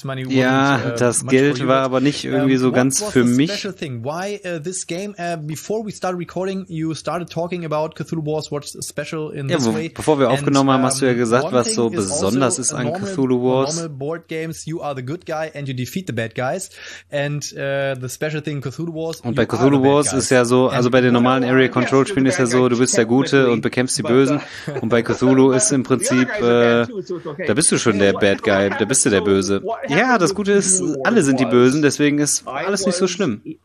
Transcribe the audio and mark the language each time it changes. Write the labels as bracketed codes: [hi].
[de] Ja, das Geld war aber nicht irgendwie so ganz für mich. [en] Why this game? Before we started recording, you started talking about Cthulhu Wars. What's special in this way? [de] Bevor wir aufgenommen haben, hast du ja gesagt, was so besonders ist an Cthulhu Wars. [en] Normal board games, you are the good guy and you defeat the bad guys. And the special thing Cthulhu Wars. [de] Und bei Cthulhu Wars ist ja so, also bei den normalen Area Control Spielen ist ja so, du bist der Gute und bekämpfst die Bösen. Und bei Cthulhu ist im Prinzip da bist du schon der Bad Guy, da bist du der Böse. Ja, das Gute ist, alle sind die Bösen, deswegen ist alles nicht so schlimm.